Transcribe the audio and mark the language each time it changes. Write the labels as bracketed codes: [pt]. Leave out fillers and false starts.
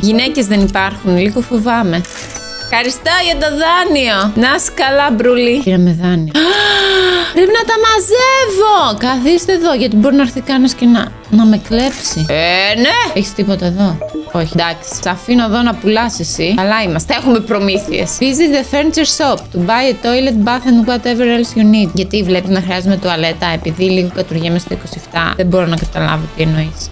[el] Γυναίκες δεν υπάρχουν. Λίγο φοβάμαι. Ευχαριστώ για το δάνειο. Να είσαι καλά, Μπρούλη. Πήραμε δάνειο. Πρέπει να τα μαζεύω. Καθίστε εδώ, γιατί μπορεί να έρθει κανένας και να με κλέψει. Ναι. Έχεις τίποτα εδώ. Όχι, εντάξει. Σ' αφήνω εδώ να πουλάς εσύ. Καλά είμαστε, έχουμε προμήθειες. [en] Visit the furniture shop to buy a toilet, bath and whatever else you need. [el] Γιατί βλέπεις να χρειάζομαι τουαλέτα, επειδή λίγο κατουργέμαι στο 27. Δεν μπορώ να καταλάβω τι εννοείς.